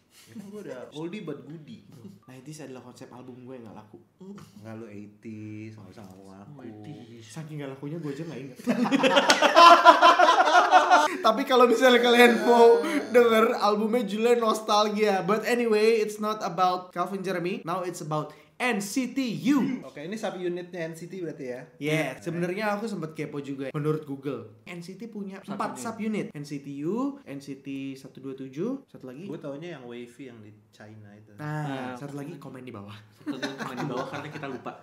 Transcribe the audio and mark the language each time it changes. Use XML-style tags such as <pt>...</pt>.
<id>Emang gue udah</id> <en>oldie but goodie.</en> <id>90s adalah konsep album gue yang gak laku. Enggak, lu 80s, gak usah ngomong aku. Saking gak lakunya gue aja gak inget. Tapi kalau misalnya kalian mau denger albumnya judulnya Nostalgia.</id> <en>But anyway, it's not about Calvin Jeremy. Now it's about NCT U.</en> <id>Oke, ini sub unitnya NCT berarti ya. Yeah, sebenarnya aku sempat kepo juga. Menurut Google, NCT punya 4 sub unit. NCT U, NCT 127, satu lagi. Gue taunya yang wavy yang di China itu. Nah, satu lagi komen di bawah. Komen di bawah karena kita lupa.</id>